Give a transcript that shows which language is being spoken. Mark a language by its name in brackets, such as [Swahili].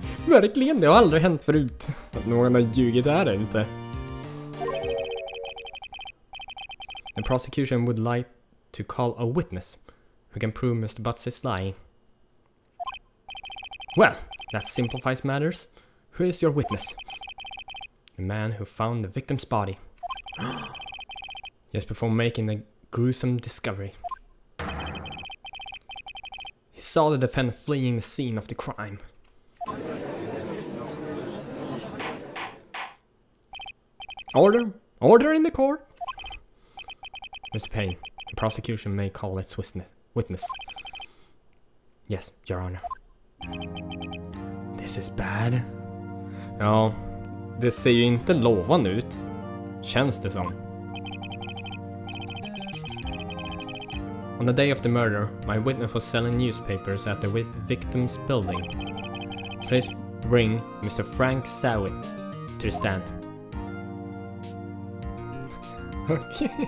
[Swedish] Verkligen, det har aldrig hänt förut. Att någon har ljugit är det inte. [English] The prosecution would like to call a witness who can prove Mr. Butz is lying. Well, that simplifies matters. Who is your witness? The man who found the victim's body. Just before making the gruesome discovery. He saw the defendant fleeing the scene of the crime. Order! Order in the court! Mr. Payne, the prosecution may call its witness. Yes, Your Honor. This is bad. [Swedish] Ja, det ser ju inte lovande ut. Känns det som. [English] On the day of the murder, my witness was selling newspapers at the victim's building. Please bring Mr. Frank Sawit to the stand. Okay.